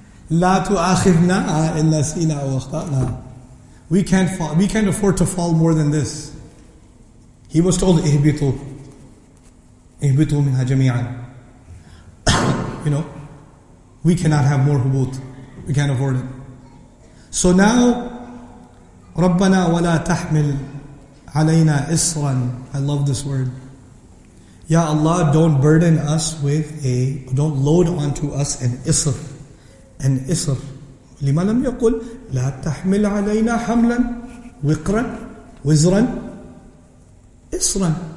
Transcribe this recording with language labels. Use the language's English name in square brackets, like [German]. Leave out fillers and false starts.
[Arabic] لَا تُؤَخِذْنَا إِلَّا سِيْنَا وَخْطَأْنَا. [English] We can't afford to fall more than this. He was told, [Arabic] اِهْبِطُوا مِنْهَا جَمِيعًا. [English] You know, we cannot have more hubut. We can't afford it. So now, [Arabic] رَبَّنَا وَلَا تَحْمِلْ عَلَيْنَا إِصْرًا. [English] I love this word. Ya Allah, don't burden us with a... Don't load onto us an isr. An isr. [Arabic] لِمَا لَمْ يَقُلْ لَا تَحْمِلْ عَلَيْنَا حَمْلًا وِقْرًا وِزْرًا إِصْرًا.